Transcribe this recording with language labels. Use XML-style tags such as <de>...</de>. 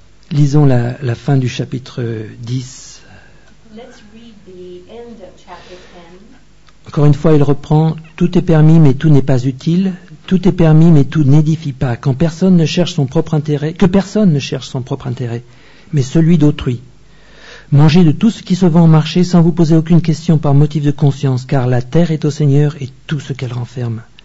<fr>Lisons la fin du chapitre 10.</fr> <en>Let's read the end of chapter 10.</en> <fr>Encore une fois, il reprend « Tout est permis, mais tout n'est pas utile. Tout est permis, mais tout n'édifie pas. Quand personne ne cherche son propre intérêt, que personne ne cherche son propre intérêt, mais celui d'autrui. Mangez de tout ce qui se vend au marché sans vous poser aucune question par motif de conscience, car la terre est au Seigneur et tout ce qu'elle renferme.</fr>